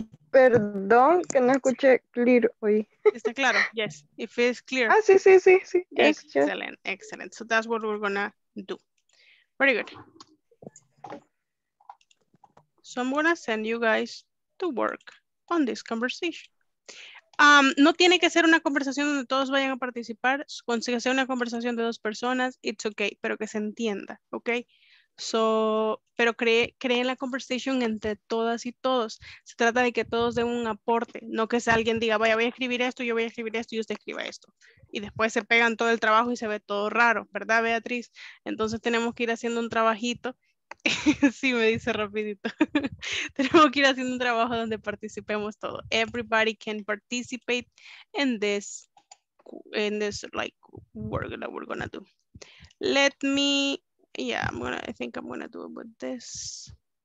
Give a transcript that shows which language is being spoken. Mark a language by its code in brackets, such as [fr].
[es] Perdón, que no escuché clear hoy. Está claro, [en] yes. If it's clear. [es] Ah, sí, sí, sí, sí. [en] Yes, excellent, yes. Excellent. So that's what we're gonna do. Very good. So I'm gonna send you guys to work on this conversation. [es] No tiene que ser una conversación donde todos vayan a participar. Consigue ser una conversación de dos personas, [en] it's okay, [es] pero que se entienda, okay? So, pero creen la conversación entre todas y todos. Se trata de que todos den un aporte, no que sea alguien diga, vaya, voy a escribir esto, yo voy a escribir esto y usted escriba esto. Y después se pegan todo el trabajo y se ve todo raro, ¿verdad, Beatriz? Entonces tenemos que ir haciendo un trabajito. Sí, me dice rapidito. Tenemos que ir haciendo un trabajo donde participemos todo. [en] Everybody can participate in this like work that we're gonna do. Let me, yeah, I think I'm gonna do it with this.